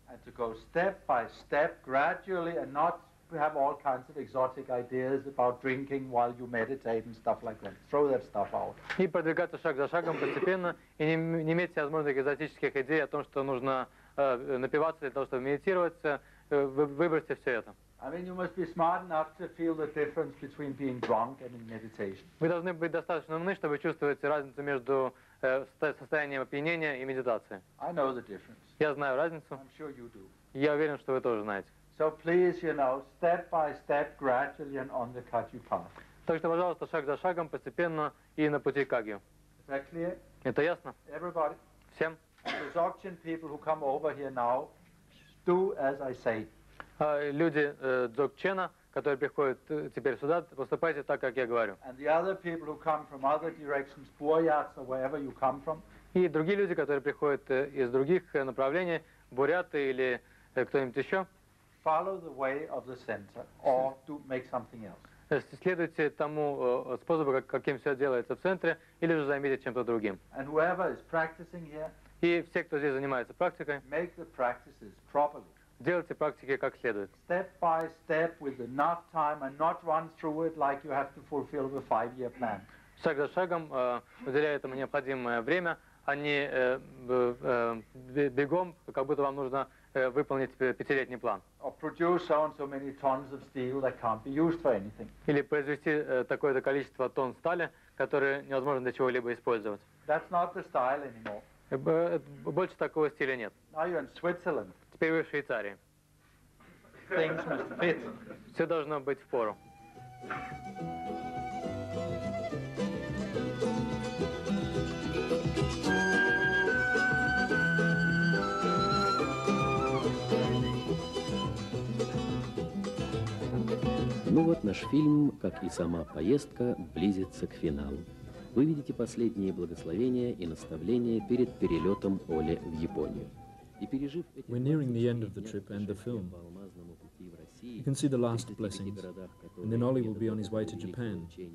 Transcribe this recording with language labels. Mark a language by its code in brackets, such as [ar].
[en] And to go step by step, gradually, and not have all kinds of exotic ideas about drinking while you meditate and stuff like that. Throw that stuff out. [ru] И продвигаться шаг за шагом постепенно, и не иметь возможных экзотических идей о том, что нужно напиваться для того, чтобы медитировать, выбросьте все это. [en] I mean, you must be smart enough to feel the difference between being drunk and in meditation. [ru] Вы должны быть достаточно умны, чтобы чувствовать разницу между состоянием опьянения и медитации. [en] I know the difference. [ru] Я знаю разницу. [en] I'm sure you do. [ru] Я уверен, что вы тоже знаете. [en] So please, you know, step by step, gradually and on the Kagyu path. [ru] Так что, пожалуйста, шаг за шагом, постепенно и на пути к Кагью. Это ясно? [en] Everybody. [ru] Всем? [en] The Dzogchen people who come over here now do as I say. [ru] Люди Дзогчена, которые приходят теперь сюда, поступайте так, как я говорю. [en] And the other people who come from other directions, Буряты, or wherever you come from. [ru] И другие люди, которые приходят из других направлений, буряты или кто-нибудь еще. [en] Follow the way of the center, or do make something else. [ru] Следуйте тому способу, каким все делается в центре, или же займитесь чем-то другим. [en] And whoever is practicing here. [ru] И все, кто здесь занимается практикой, [en] make the practices properly. [ru] Делайте практики как следует. [en] Step by step, with enough time, and not run through it like you have to fulfill the five-year plan. [ru] Шаг за шагом, уделяя этому необходимое время, а не бегом, как будто вам нужно выполнить пятилетний план. [en] Or produce so and so many tons of steel that can't be used for anything. [ru] Или произвести такое-то количество тонн стали, которое невозможно для чего-либо использовать. [en] That's not the style anymore. [ru] Больше такого стиля нет. [en] Now you're in Switzerland. [ru] Теперь вы в Швейцарии. [en] Things must fit. [ru] Все должно быть в пору. Ну вот, наш фильм, как и сама поездка, близится к финалу. Вы видите последние благословения и наставления перед перелетом Оли в Японию. [en] We're nearing the end of the trip and the film. You can see the last blessings, and then Oli will be on his way to Japan.